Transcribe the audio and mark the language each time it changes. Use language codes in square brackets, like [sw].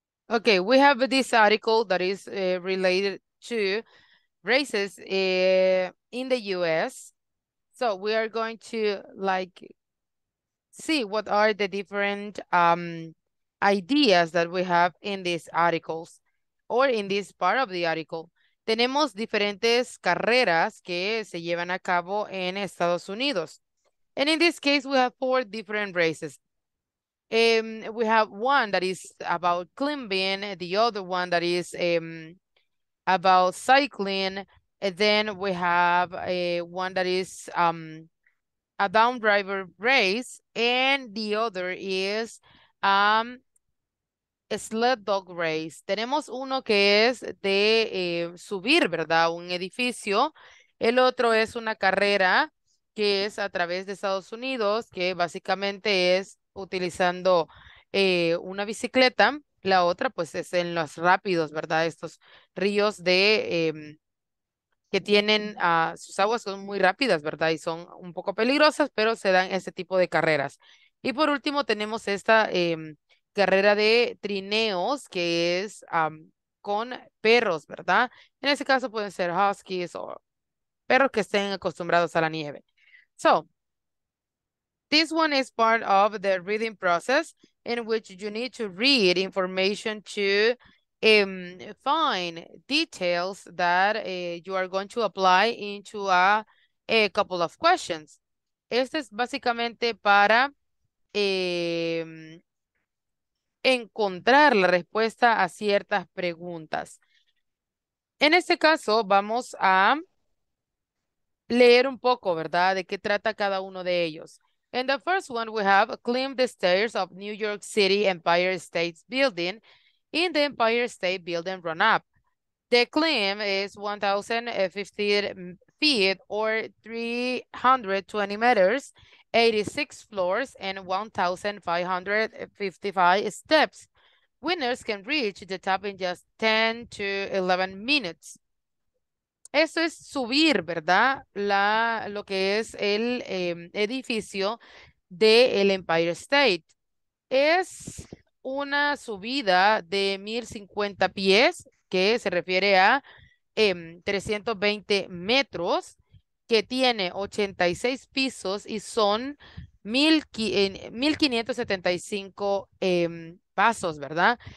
[en] Okay, we have this article that is related to races in the U.S. So we are going to like see what are the different ideas that we have in these articles or in this part of the article. [es] Tenemos diferentes carreras que se llevan a cabo en Estados Unidos. [en] And in this case, we have 4 different races. We have one that is about climbing, the other one that is about cycling, and then we have a one that is a downriver race, and the other is a sled dog race. [es] Tenemos uno que es de subir, ¿verdad? Un edificio. El otro es una carrera que es a través de Estados Unidos, que básicamente es utilizando una bicicleta, la otra pues es en los rápidos, ¿verdad? Estos ríos que tienen sus aguas son muy rápidas, ¿verdad? Y son un poco peligrosas, pero se dan ese tipo de carreras. Y por último tenemos esta carrera de trineos que es con perros, ¿verdad? En ese caso pueden ser huskies o perros que estén acostumbrados a la nieve. [en] So, this one is part of the reading process in which you need to read information to find details that you are going to apply into a couple of questions. [es] Este es básicamente para encontrar la respuesta a ciertas preguntas. En este caso, vamos a leer un poco, ¿verdad? De qué trata cada uno de ellos. [en] In the first one, we have climb the stairs of New York City Empire State Building in the Empire State Building run-up. The climb is 1,050 feet or 320 meters, 86 floors, and 1,555 steps. Winners can reach the top in just 10 to 11 minutes. [es] Eso es subir, ¿verdad? Lo que es el edificio del Empire State. Es una subida de 1050 pies, que se refiere a 320 metros, que tiene 86 pisos y son 1575 pasos, ¿verdad?